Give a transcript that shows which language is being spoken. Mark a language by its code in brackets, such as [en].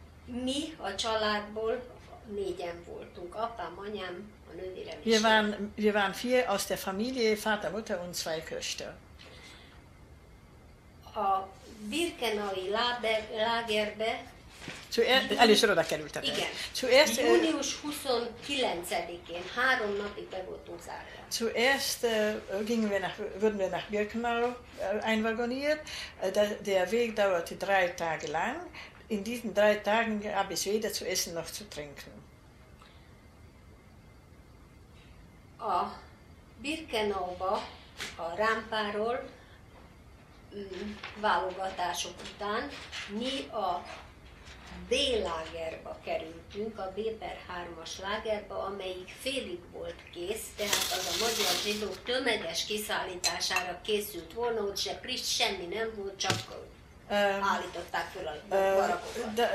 [hu] mi a családból négyen voltunk, apám, anyám, a nővérem is. [de] Wir waren vier aus der Familie, Vater, Mutter und zwei Köster. [hu] A Birkenaui lágerbe. Először oda kerültetek. Igen. Június 29-én, három napig be voltunk zárva. [de] Zuerst wurden wir nach Birkenau einwagoniert. Der Weg dauerte drei Tage lang. In diesen drei Tagen gab es weder zu essen noch zu trinken. [hu] A Birkenauba, a rámpáról válogatások után mi a B-lágerba kerültünk, a Béber 3-as lágerba, amelyik félig volt kész, tehát az a magyar zsidók tömeges kiszállítására készült volna, ott se prist, semmi nem volt, csak állították föl a barakokat.